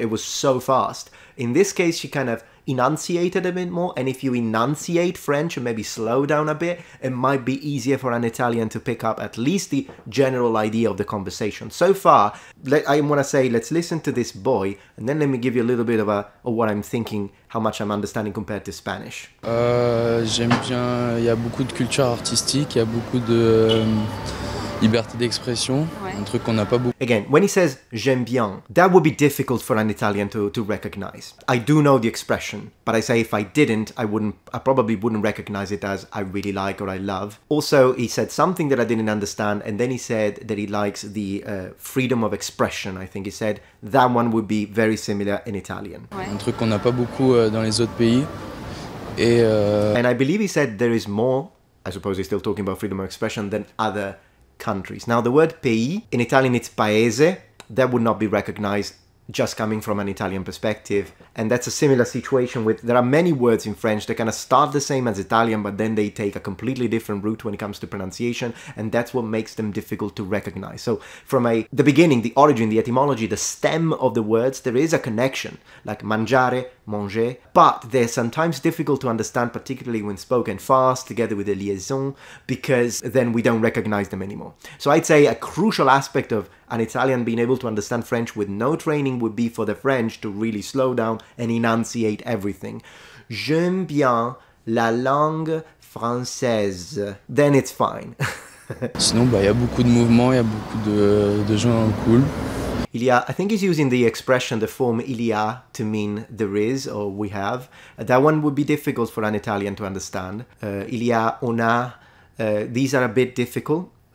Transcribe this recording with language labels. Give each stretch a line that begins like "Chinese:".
English: It was so fast. In this case, she kind of enunciated a bit more, and if you enunciate French and maybe slow down a bit, it might be easier for an Italian to pick up at least the general idea of the conversation. So far, I want to say, let's listen to this boy, and then let me give you a little bit of what I'm thinking, how much I'm understanding compared to Spanish.
French: J'aime bien, il y a beaucoup de culture artistique, il y a beaucoup de liberté d'expression, ouais. Un truc qu'on n'a pas beaucoup.
English: Again, when he says j'aime bien, that would be difficult for an Italian to recognize. I do know the expression, but I say if I didn't, I probably wouldn't recognize it as I really like or I love. Also, he said something that I didn't understand, and then he said that he likes the freedom of expression. I think he said that one would be very similar in Italian.
French: Ouais. Un truc qu'on n'a pas beaucoup dans les autres pays. Et,
English: And I believe he said there is more, I suppose he's still talking about freedom of expression, than other countries. Now the word pays, in Italian it's paese, that would not be recognized just coming from an Italian perspective. And that's a similar situation with, there are many words in French that kind of start the same as Italian, but then they take a completely different route when it comes to pronunciation, and that's what makes them difficult to recognize. So from the beginning, the origin, the etymology, the stem of the words, there is a connection, like mangiare, manger, but they're sometimes difficult to understand, particularly when spoken fast together with a liaison, because then we don't recognize them anymore. So I'd say a crucial aspect of an Italian being able to understand French with no training would be for the French to really slow down and enunciate everything.
French: J'aime bien la langue française.
English: Then it's fine.
French: Sinon, bah, y a beaucoup de mouvement, y a beaucoup de gens cool.
English: Il y a, I think he's using the expression, the form il y a, to mean there is or we have. That one would be difficult for an Italian to understand. Il y a, on a, these are a bit difficult.